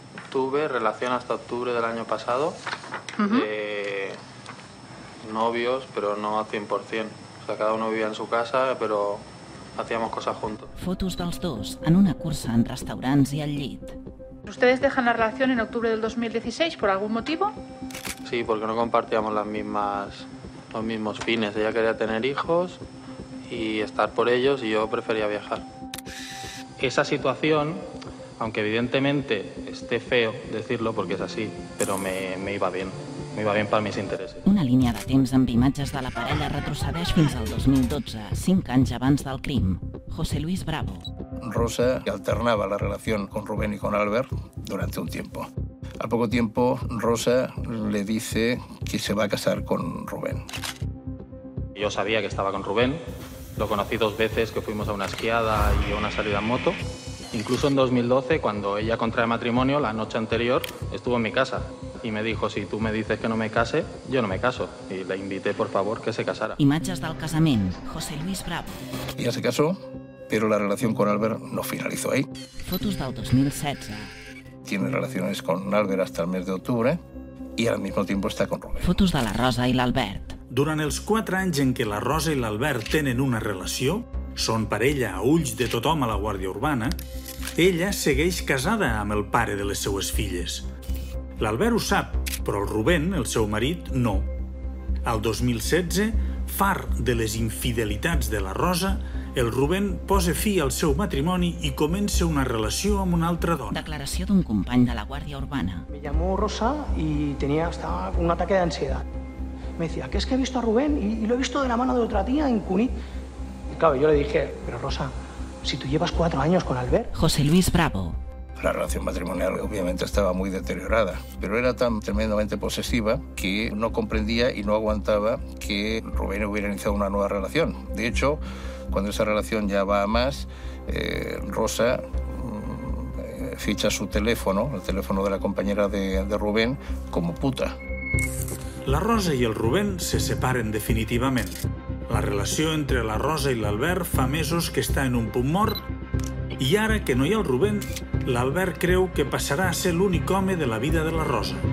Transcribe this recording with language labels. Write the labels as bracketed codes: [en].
[es] Tuve relación hasta octubre del año pasado. Uh-huh. De novios, pero no a 100%. O sea, cada uno vivía en su casa, pero hacíamos cosas juntos. [ca] Fotos dels dos en una cursa en restaurants i al llit. [es] ¿Ustedes dejan la relación en octubre del 2016 por algún motivo? Sí, porque no compartíamos los mismos fines. Ella quería tener hijos y estar por ellos y yo prefería viajar. Esa situación, aunque evidentemente esté feo decirlo porque es así, pero me iba bien. Me iba bien para mis intereses. [ca] Una línia de temps amb imatges de la parella retrocedeix fins al 2012, 5 anys abans del crim. José Luis Bravo. [es] Rosa alternaba la relación con Rubén y con Albert durante un tiempo. Al poco tiempo, Rosa le dice que se va a casar con Rubén. Yo sabía que estaba con Rubén. Lo conocí dos veces, que fuimos a una esquiada y a una salida en moto. Incluso en 2012, cuando ella contrae matrimonio, la noche anterior, estuvo en mi casa. Y me dijo, si tú me dices que no me case, yo no me caso. Y le invité, por favor, que se casara. [ca] Imatges del casament, José Luis Bravo. [es] Ella se casó, pero la relación con Albert no finalizó ahí. Fotos del 2016. Tiene relaciones con Albert hasta el mes de octubre y al mismo tiempo está con Rubén. [ca] Fotos de la Rosa i l'Albert. Durant els 4 anys en què la Rosa i l'Albert tenen una relació, són parella a ulls de tothom a la Guàrdia Urbana, ella segueix casada amb el pare de les seues filles. L'Albert ho sap, però el Rubén, el seu marit, no. El 2016, far de les infidelitats de la Rosa, el Rubén posa fi al seu matrimoni i comença una relació amb una altra dona. Declaració d'un company de la Guàrdia Urbana. [es] Me llamó Rosa y tenía hasta un ataque de ansiedad. Me decía, ¿qué es que he visto a Rubén? Y lo he visto de la mano de otra tía en Cunit. Y claro, yo le dije, pero Rosa, si tú llevas 4 años con Albert... José Luis Bravo. La relación matrimonial obviamente estaba muy deteriorada, pero era tan tremendamente posesiva que no comprendía y no aguantaba que Rubén hubiera iniciado una nueva relación. De hecho, cuando esa relación ya va a más, Rosa ficha su teléfono, el teléfono de la compañera de Rubén, como puta. [ca] La Rosa i el Rubén se separen definitivament. La relació entre la Rosa i l'Albert fa mesos que està en un punt mort i ara que no hi ha el Rubén, l'Albert creu que passarà a ser l'únic home de la vida de la Rosa.